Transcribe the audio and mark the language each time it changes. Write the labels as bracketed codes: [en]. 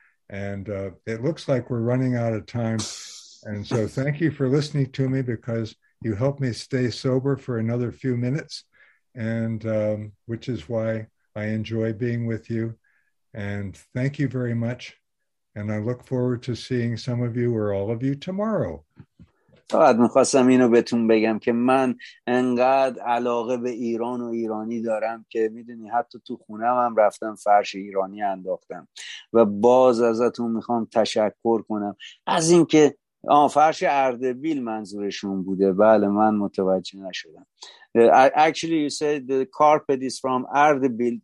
[en] And it looks like we're running out of time. And so thank you for listening to me because you helped me stay sober for another few minutes, and which is why I enjoy being with you. And thank you very much. And I look forward to seeing some of you or all of you tomorrow. [fa] فقط میخواستم اینو بهتون بگم که من انقدر علاقه به ایران و ایرانی دارم که میدونی حتی تو خونم هم رفتم فرش ایرانی انداختم. و باز ازتون میخوام تشکر کنم از اینکه فرش اردبیل منظورشون بوده. بله من متوجه نشدم. [en] Actually you said the carpet is from Ardabil.